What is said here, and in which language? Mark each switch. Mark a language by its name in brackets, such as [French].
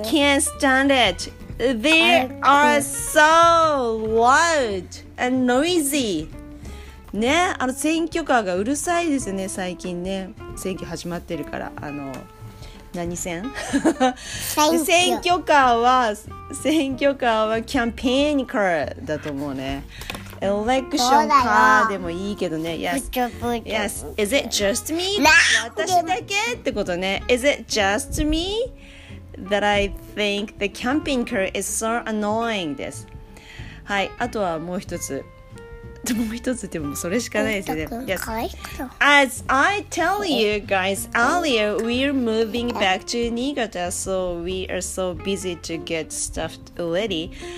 [English] can't stand it. They are so loud and noisy [Japanese] ね、選挙カーがうるさいですね、最近ね、選挙始まってるから、何選選挙カーはキャンペーンカーだと思うね。エレクションカーでもいいけどね。 [English] Yes. Is it just me? [Japanese] 私だけってことね。 [English] Is it just me that I think the camping car is so annoying? [Japanese] です。はい、あとはもう一つ、もう一つでもそれしかないですね。 [English] Yes. As I tell you guys earlier, we're moving back to Niigata, so we are so busy to get stuff ready.